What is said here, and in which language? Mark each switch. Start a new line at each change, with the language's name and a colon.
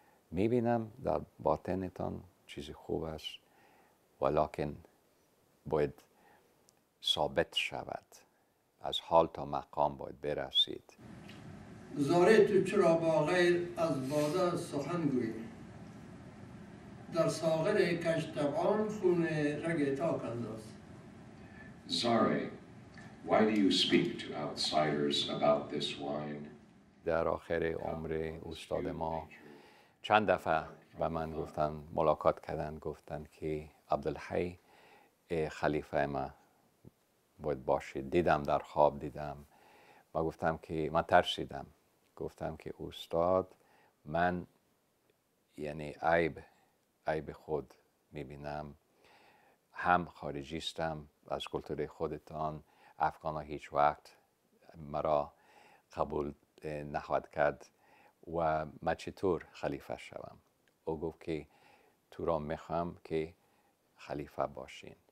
Persian: می بینم در باطنتان چیزی خوب است ولیکن باید ثابت شود. از حال تا مقام باید برسید. زاره تو چرا با غیر از باده سخن گوی؟ در ساغر کشتبان خون رگ تاک انداز.
English: زاره، why do you speak to outsiders about this wine?
Persian: در آخر عمر استاد ما چند دفعه به من گفتن، ملاقات کردن، گفتن که عبدالحی خلیفه ما باید باشید. دیدم، در خواب دیدم. ما گفتم که من ترسیدم، گفتم که استاد من یعنی عیب خود میبینم، هم خارجیستم از کلتور خودتان، افغان ها هیچ وقت مرا قبول نخواهد کرد و من چطور خلیفه شوم؟ او گفت که تو را میخوام که خلیفه باشین.